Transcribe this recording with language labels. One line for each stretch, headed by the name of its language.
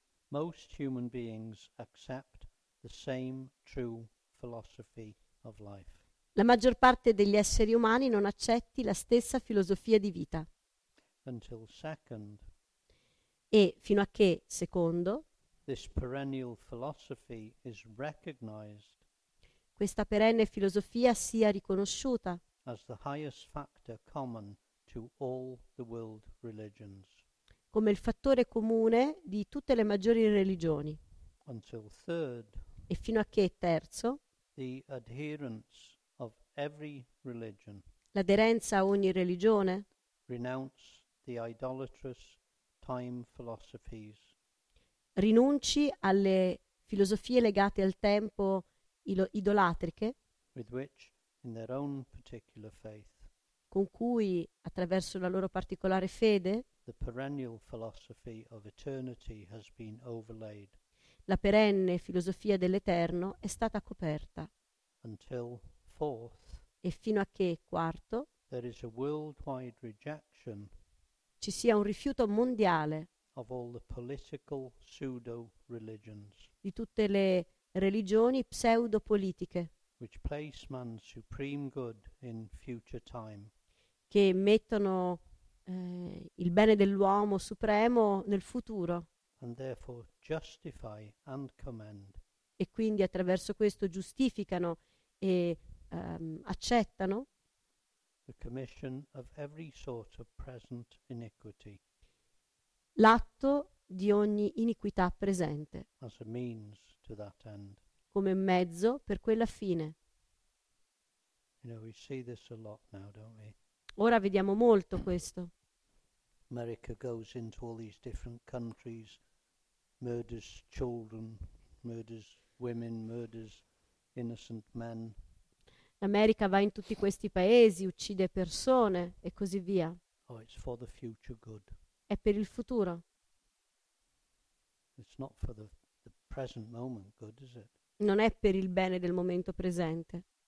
English: Most human beings accept the same true philosophy of life.
Italian: La maggior parte degli esseri umani non accetti la stessa filosofia di vita.
English: Until second,
Italian: e fino a che, secondo,
English: this perennial philosophy is recognized,
Italian: questa perenne filosofia sia riconosciuta
English: as the highest factor common to all the world religions,
Italian: come il fattore comune di tutte le maggiori religioni.
English: Until third,
Italian: e fino a che, terzo,
English: the adherence every religion,
Italian: l'aderenza a ogni religione,
English: renounce the idolatrous time philosophies,
Italian: rinunci alle filosofie legate al tempo idolatriche,
English: with which, in their own particular faith,
Italian: con cui, attraverso la loro particolare fede,
English: the perennial philosophy of eternity has been overlaid,
Italian: la perenne filosofia dell'eterno è stata coperta.
English: Until fourth,
Italian: e fino a che, quarto,
English: there is a worldwide rejection,
Italian: ci sia un rifiuto mondiale,
English: of all the political pseudo religions,
Italian: di tutte le religioni pseudopolitiche,
English: which place man's supreme good in future time,
Italian: che mettono il bene dell'uomo supremo nel futuro,
English: and therefore justify and commend,
Italian: e quindi attraverso questo giustificano e accettano
English: the commission of every sort of present iniquity,
Italian: l'atto di ogni iniquità presente,
English: as a means to that end,
Italian: come mezzo per quella fine.
English: You know, we see this a lot now, don't we?
Italian: Ora vediamo molto questo.
English: America goes into all these different countries, murders children, murders women, murders innocent men.
Italian: L'America va in tutti questi paesi, uccide persone e così via.
English: Oh, it's for the future good.
Italian: È per il futuro.
English: It's not for the present moment good, is it?
Italian: Non è per il bene del momento presente.